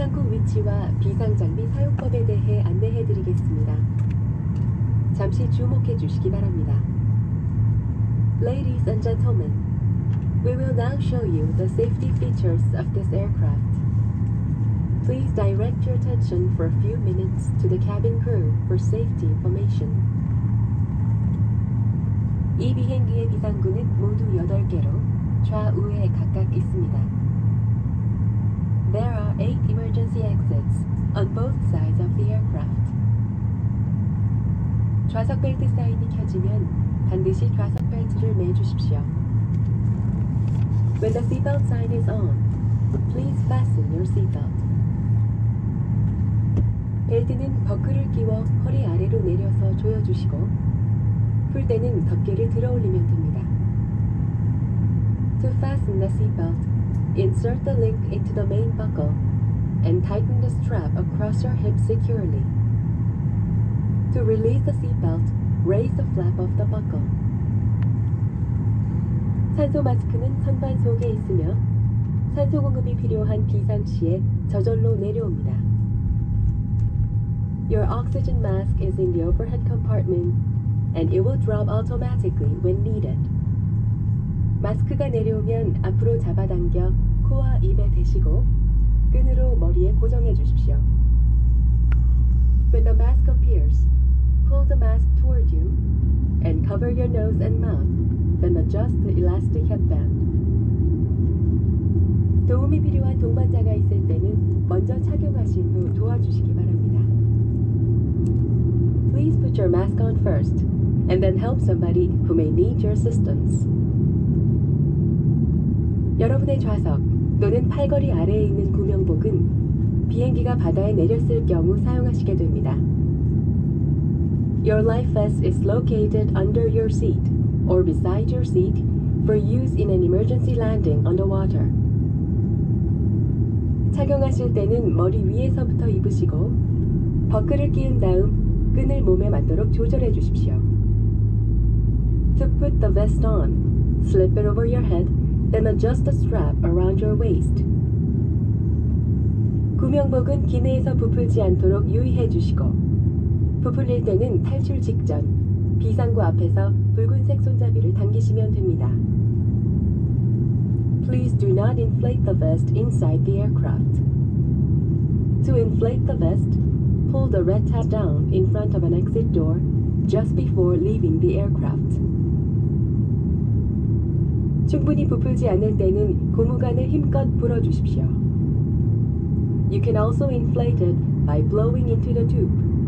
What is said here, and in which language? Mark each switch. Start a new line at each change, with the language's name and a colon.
Korean: 위치와 비상장비 사용법에 대해 안내해드리겠습니다. 잠시 주목해 주시기 바랍니다.
English: Ladies and gentlemen, we will now show you the safety features of this aircraft. Please direct your attention for a few minutes to the cabin crew for safety information.
Korean: 이 비행기의 비상구는 모두 8개로 좌우에 각각 있습니다.
English: There are 8 emergency exits on both sides of the aircraft.
Korean: 좌석 벨트 사인이 켜지면 반드시 좌석 벨트를 매주십시오.
English: When the seatbelt sign is on, please fasten your seatbelt.
Korean: 벨트는 버클을 끼워 허리 아래로 내려서 조여주시고 풀 때는 덮개를 들어올리면 됩니다.
English: To fasten the seatbelt, insert the link into the main buckle and tighten the strap across your hip securely. To release the seatbelt, raise the flap of the buckle.
Korean: 산소 마스크는 선반 속에 있으며 산소 공급이 필요한 비상 시에 저절로 내려옵니다.
English: Your oxygen mask is in the overhead compartment and it will drop automatically when needed.
Korean: 마스크가 내려오면 앞으로 잡아당겨 코와 입에 대시고 끈으로 머리에 고정해 주십시오.
English: When the mask appears, pull the mask toward you and cover your nose and mouth, then adjust the elastic headband.
Korean: 도움이 필요한 동반자가 있을 때는 먼저 착용하신 후 도와주시기 바랍니다.
English: your mask on first, and then help somebody who may need your assistance.
Korean: 여러분의 좌석 또는 팔걸이 아래에 있는 구명복은 비행기가 바다에 내렸을 경우 사용하시게 됩니다.
English: Your life vest is located under your seat or beside your seat for use in an emergency landing on the water.
Korean: 착용하실 때는 머리 위에서부터 입으시고 버클을 끼운 다음 끈을 몸에 맞도록 조절해 주십시오.
English: To put the vest on, slip it over your head, then adjust the strap around your waist.
Korean: 구명복은 기내에서 부풀지 않도록 유의해 주시고 부풀릴 때는 탈출 직전 비상구 앞에서 붉은색 손잡이를 당기시면 됩니다.
English: Please do not inflate the vest inside the aircraft. To inflate the vest, pull the red tab down in front of an exit door just before leaving the aircraft.
Korean: 충분히 부풀지 않을 때는 고무관을 힘껏 불어주십시오.
English: You can also inflate it by blowing into the tube.